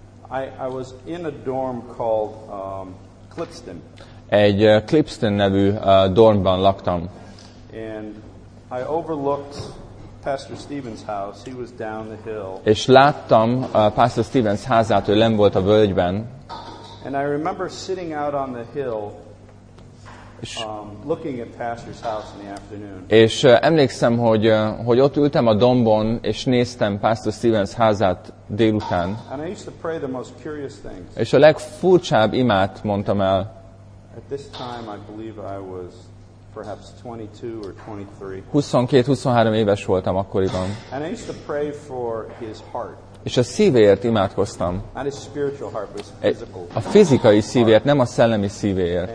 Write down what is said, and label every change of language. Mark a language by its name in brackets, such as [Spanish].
[English] I was in a dorm called Clipston. [Hungarian] Egy Clipston nevű dormban laktam. [English] And I overlooked Pastor Stevens' house. He was down the hill. [Hungarian] És láttam Pastor Stevens házát, ő lent volt a völgyben. [English] And I remember sitting out on the hill. Looking at pastor's house in the afternoon. [Hungarian] És emlékszem, hogy ott ültem a dombon és néztem Pastor Stevens házát délután. [English] And I used to pray the most curious things. [Hungarian] És a legfurcsább imát mondtam el. [English] At this time I believe I was perhaps 22 or 23. [Hungarian] 22-23 éves voltam akkoriban. [English] And I used to pray for his heart. [Hungarian] És a szívéért imádkoztam. [English] Not his spiritual heart, but his physical. [Hungarian] A fizikai szívéért, nem a szellemi szívéért.